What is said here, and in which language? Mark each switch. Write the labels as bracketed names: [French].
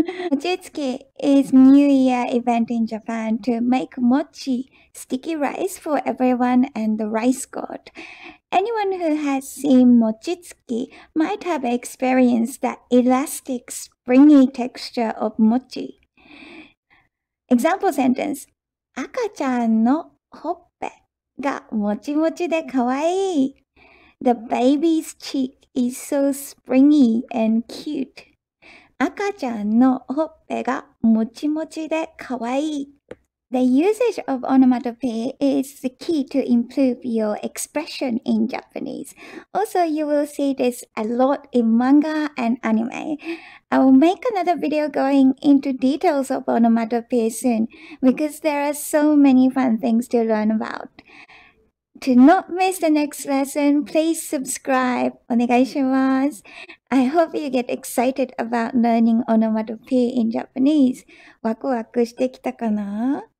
[English] Mochitsuki is New Year event in Japan to make mochi, sticky rice for everyone and the rice god. Anyone who has seen mochitsuki might have experienced that elastic, springy texture of mochi. Example sentence: [Japanese] 赤ちゃんのほっぺがもちもちでかわいい。 [English] The baby's cheek is so springy and cute. [Japanese] 赤ちゃんのほっぺがもちもちでかわいい。 [English] The usage of onomatopoeia is the key to improve your expression in Japanese. Also, you will see this a lot in manga and anime. I will make another video going into details of onomatopoeia soon because there are so many fun things to learn about. To not miss the next lesson, please subscribe. [Japanese] お願いします. [English] I hope you get excited about learning onomatopoeia in Japanese. [Japanese] ワクワクしてきたかな?